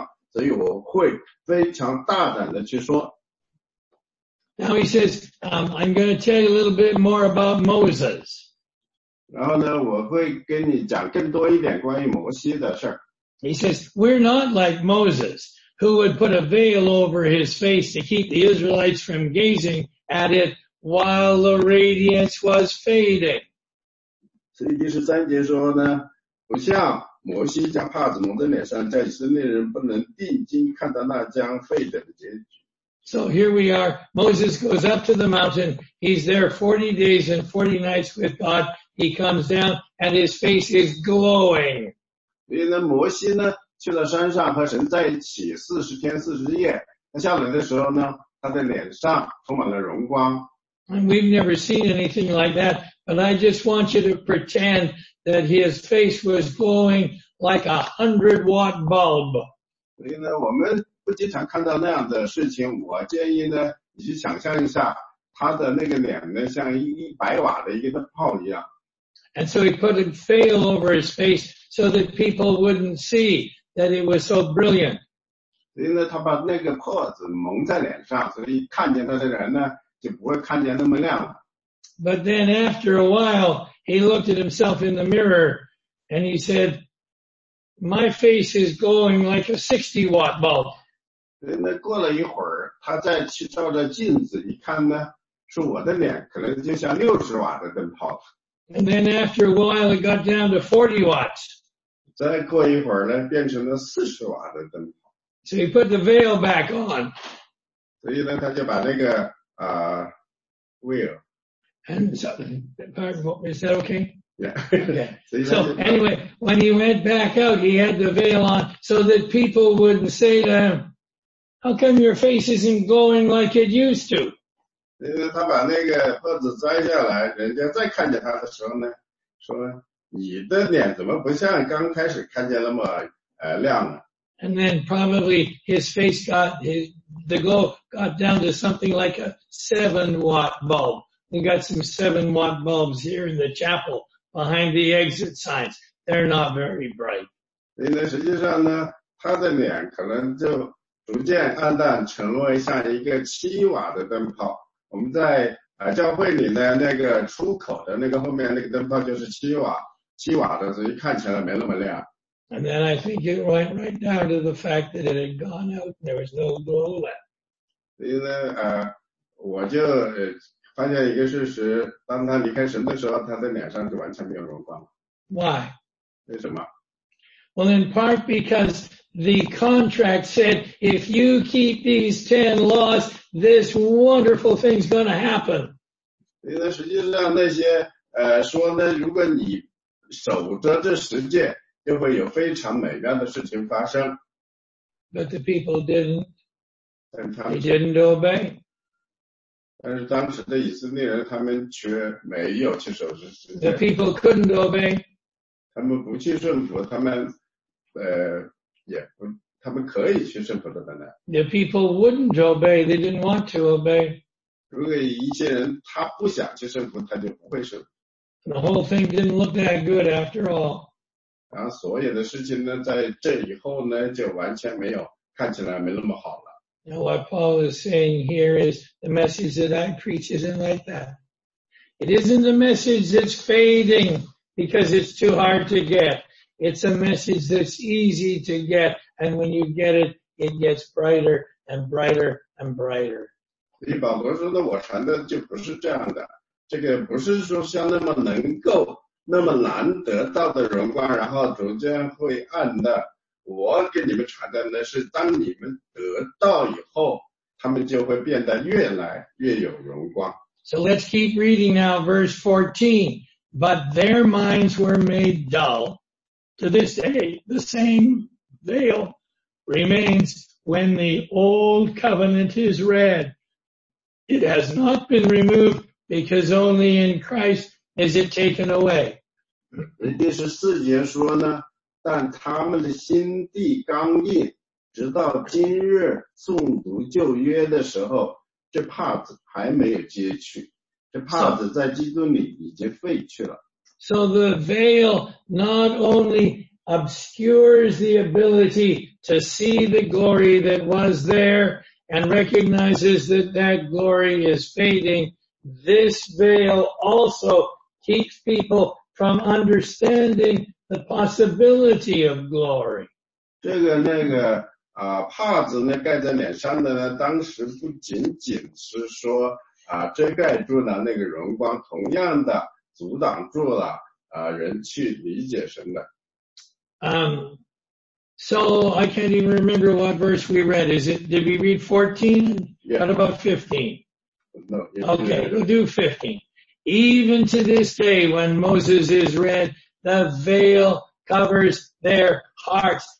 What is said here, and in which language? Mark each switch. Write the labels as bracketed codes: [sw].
[zh] 所以第十二节说我们既有这样的盼望,就大胆地讲说,他说这个事情太美妙了,所以我会非常大胆地去说。 [en] Now he says, I'm going to tell you a little bit more about Moses. [zh] 然后呢,我会跟你讲更多一点关于摩西的事。 [en] He says, we're not like Moses, who would put a veil over his face to keep the Israelites from gazing at it while the radiance was fading. [zh] 所以第十三节说呢, 摩西加帕子蒙的脸上，在以色列人不能定睛看到那将废的结局。 [en] So here we are. Moses goes up to the mountain. He's there 40 days and 40 nights with God. He comes down and his face is glowing. [zh] 所以呢，摩西呢去了山上和神在一起40天40夜。他下来的时候呢，他的脸上充满了荣光。 [en] And we've never seen anything like that, but I just want you to pretend that his face was glowing like a 100-watt bulb. [zh] 所以呢，我们不经常看到那样的事情，我建议呢，你去想象一下，他的那个脸呢，像100瓦的一个炮一样。 [en] And so he put a veil over his face so that people wouldn't see that it was so brilliant. [zh] 所以呢，他把那个帕子蒙在脸上，所以看见他的人呢，就不会看见那么亮了。 [en] But then after a while, he looked at himself in the mirror and he said, my face is glowing like a 60-watt bulb. [zh] 那过了一会儿，他再去照着镜子一看呢，说我的脸可能就像60瓦的灯泡。 [en] And then after a while, it got down to 40 watts. [zh] 再过一会儿呢，变成了40瓦的灯泡。 [en] So he put the veil back on. [zh] 所以呢，他就把那个 [en] And so, pardon, what, is that okay? Yeah. Okay. So anyway, when he went back out, he had the veil on so that people wouldn't say to him, how come your face isn't glowing like it used to? [zh] 他把那个帽子摘下来，人家再看见他的时候呢，说你的脸怎么不像刚开始看见那么亮了。 [en] And then probably his face got, his, the glow got down to something like a 7-watt bulb. We got some 7-watt bulbs here in the chapel behind the exit signs. They're not very bright. [zh] 所以呢，实际上呢，他的脸可能就逐渐暗淡，成为像一个7瓦的灯泡。我们在教会里呢，那个出口的那个后面那个灯泡就是7瓦的，所以看起来没那么亮。 [en] And then I think it went right down to the fact that it had gone out and there was no glow left. [zh] 所以呢，我就发现一个事实，当他离开神的时候，他的脸上就完全没有荣光了。 [en] Why? [zh] 为什么？ [en] Well, in part because the contract said, if you keep these 10 laws, this wonderful thing's going to happen. [zh] 所以呢，实际上那些说呢，如果你守着这十诫，就会有非常美妙的事情发生。 [en] But the people didn't. They didn't obey. [zh] 但是当时的以色列人，他们却没有去守这十诫。 [en] The people couldn't obey. [zh] 他们不去顺服，他们也不，他们可以去顺服的本来。 [en] The people wouldn't obey. They didn't want to obey. [zh] 如果一些人他不想去顺服，他就不会顺服。 [en] The whole thing didn't look that good after all. [zh] 然后所有的事情呢，在这以后呢，就完全没有看起来没那么好了。 [en] Now what Paul is saying here is the message that I preach isn't like that. It isn't a message that's fading because it's too hard to get. It's a message that's easy to get, and when you get it, it gets brighter and brighter and brighter. [zh] 所以保罗说的，我传的就不是这样的，这个不是说像那么能够。那么难得到的荣光，然后逐渐会暗的。我给你们传的呢，是当你们得到以后，他们就会变得越来越有荣光。 [en] So let's keep reading now, verse 14. But their minds were made dull. To this day, the same veil remains when the old covenant is read. It has not been removed because only in Christ is it taken away. [zh] 第14节说呢，但他们的心地刚硬，直到今日诵读旧约的时候，这帕子还没有揭去，这帕子在基督里已经废去了。 [en] So the veil not only obscures the ability to see the glory that was there and recognizes that that glory is fading, this veil also keeps peoplefrom understanding the possibility of glory. [zh] 这个那个帕子呢盖在脸上的呢，当时不仅仅是说遮盖住了那个荣光，同样的阻挡住了人去理解神的。 [en] So I can't even remember what verse we read. Is it, did we read 14? Yeah. What about 15? No. Okay, we'll do 15. Even to this day when Moses is read, the veil covers their hearts.